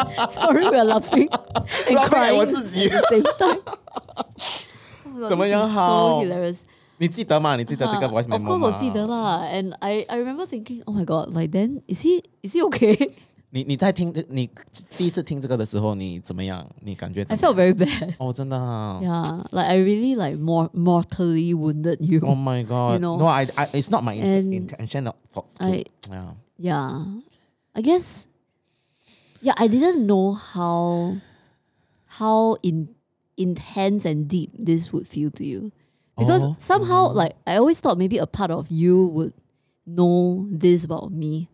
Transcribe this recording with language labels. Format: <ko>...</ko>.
<en>Sorry, we're laughing and crying at the same time.</en> <zh>怎么样好?</zh> <en>So hilarious.</en> <zh>你记得吗？你记得这个</zh> <en>voice memo</en> <zh>吗？</zh> <en>Of course,</en> <zh>我记得啦.</zh> <en>And I remember thinking, oh my god, like then is he okay?</en> <zh>你在听这，你第一次听这个的时候，你怎么样？你感觉怎么样？</zh> <en>I felt very bad.</en> <zh>Oh, 真的啊?</zh> <en>Yeah, like I really like mortally wounded you. Oh my god. You know? No, I it's not my intention. I guess. Yeah, I didn't know how intense and deep this would feel to you, because somehow, like, I always thought maybe a part of you would know this about me.</en>